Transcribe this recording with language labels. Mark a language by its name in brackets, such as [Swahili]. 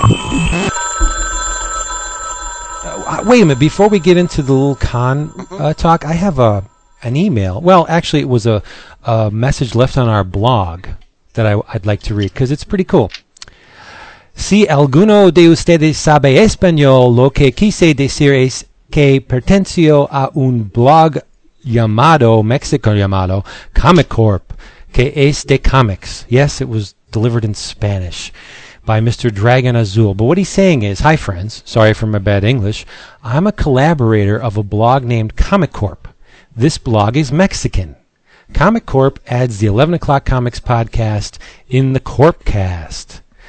[English] Late. Wait a minute. Before we get into the little con talk, I have an email. Well, actually, it was a message left on our blog that I'd like to read because it's pretty cool. [Spanish] Si alguno de ustedes sabe español, lo que quise decir es que pertenecio a un blog llamado, Mexico llamado, Comic Corp, que es de comics. [English] Yes, it was delivered in Spanish by Mr. Dragon Azul. But what he's saying is, hi friends, sorry for my bad English, I'm a collaborator of a blog named Comic Corp. This blog is Mexican. Comic Corp adds the 11 o'clock comics podcast in the Corp cast.